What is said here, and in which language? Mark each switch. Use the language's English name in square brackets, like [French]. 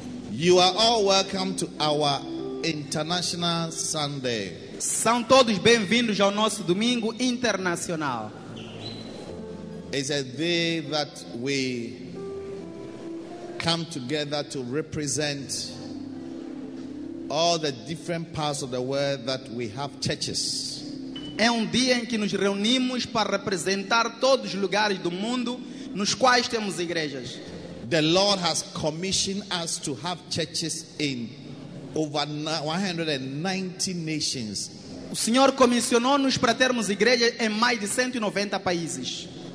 [English] You are all welcome to our International Sunday. [Portuguese] São todos bem-vindos ao nosso Domingo Internacional. [English] It's a day that we come together to represent all the different parts of the world that we have churches. [Portuguese] É dia em que nos reunimos para representar todos os lugares do mundo nos quais temos igrejas. [English] The Lord has commissioned us to have churches in over 190 nations. [Portuguese] O Senhor comissionou-nos para termos igrejas em mais de 190 países.